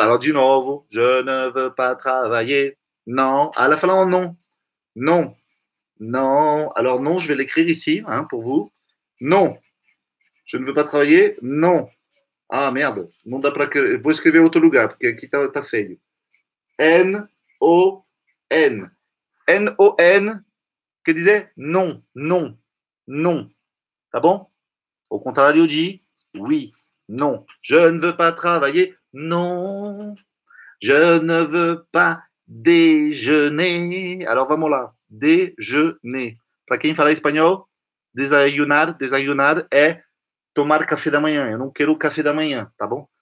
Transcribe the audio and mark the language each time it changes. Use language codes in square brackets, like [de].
[fr] Alors, [pt] de novo, [fr] je ne veux pas travailler. Non, à la fin, non. Non, non. Alors, non, je vais l'écrire ici hein, pour vous. Non, je ne veux pas travailler. Non, ah merde, non, [pt] dá pra. Vou escrever outro lugar, porque aqui tá feio. N-O-N. N-O-N, que dizer non, non, non. Tá bom? [fr] Au contrario, dit oui. Non, je ne veux pas travailler. Non, je ne veux pas déjeuner. [pt] Alors, vamos lá. Déjeuner. Para quem fala espanhol, desayunar, desayunar é tomar café da manhã. Eu não quero café da manhã, tá bom?